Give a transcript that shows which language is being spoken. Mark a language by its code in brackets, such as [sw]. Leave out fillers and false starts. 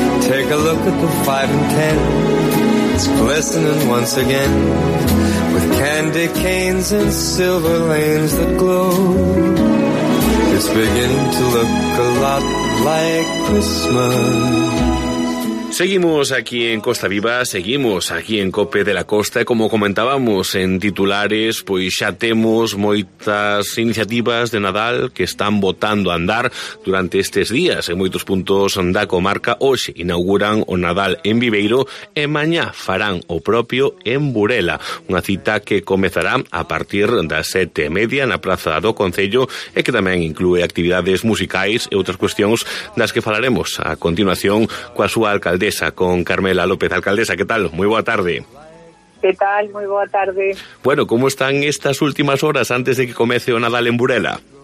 [en] Take a look at the 5 and 10. It's glistening once again with candy canes and silver lanes that glow. It's beginning to look a lot like Christmas. [es] Seguimos aquí en Costa Viva, seguimos aquí en COPE de la Costa. [gl] Como comentábamos en titulares, pois xa temos moitas iniciativas de Nadal que están botando a andar durante estes días en moitos puntos da comarca. Hoxe inauguran o Nadal en Viveiro e mañá farán o propio en Burela, unha cita que comezará a partir das 7:30 na Praza do Concello e que tamén inclúe actividades musicais e outras cuestións das que falaremos a continuación coa súa alcaldesa, con Carmela López. [es] Alcaldesa, ¿qué tal? Muy buena tarde. ¿Qué tal? Muy buena tarde. Bueno, ¿cómo están estas últimas horas antes de que [gl] comece o Nadal en Burela?